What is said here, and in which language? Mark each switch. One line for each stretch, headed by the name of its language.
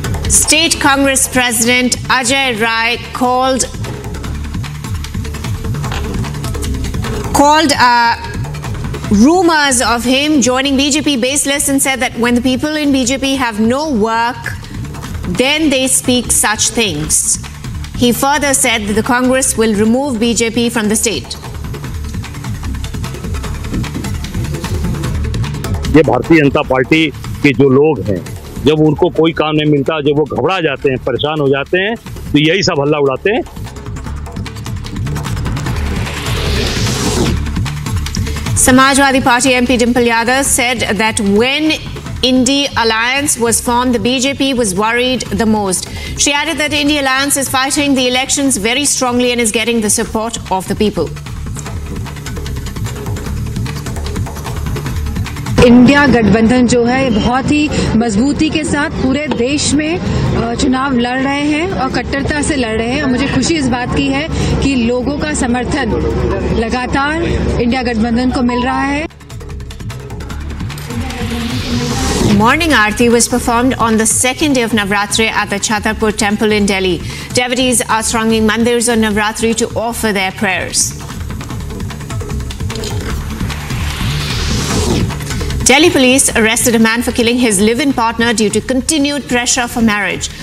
English: State Congress President Ajay Rai called rumors of him joining BJP baseless and said that when the people in BJP have no work, then they speak such things. He further said that the Congress will remove BJP from the state.
Hindi: ये Bharatiya Janata party के जो लोग हैं, जब उनको कोई काम नहीं मिलता, जब वो घबरा जाते हैं, परेशान हो जाते हैं, तो यही सब हल्ला उड़ाते हैं।
English: Samajwadi Party MP Dimple Yadav said that when Indy Alliance was formed, the BJP was worried the most. She added that Indy Alliance is fighting the elections very strongly and is getting the support of the people.
Hindi: India गठबंधन जो है बहुत ही मजबूती के साथ पूरे देश में चुनाव लड़ रहे हैं और कट्टरता से लड़ रहे हैं, और मुझे खुशी इस बात की है कि लोगों का समर्थन लगातार इंडिया गठबंधन को मिल रहा है.
English: Morning Aarti was performed on the second day of Navratri at the Chhatarpur Temple in Delhi. Devotees are thronging mandirs on Navratri to offer their prayers. Delhi police arrested a man for killing his live-in partner due to continued pressure for marriage.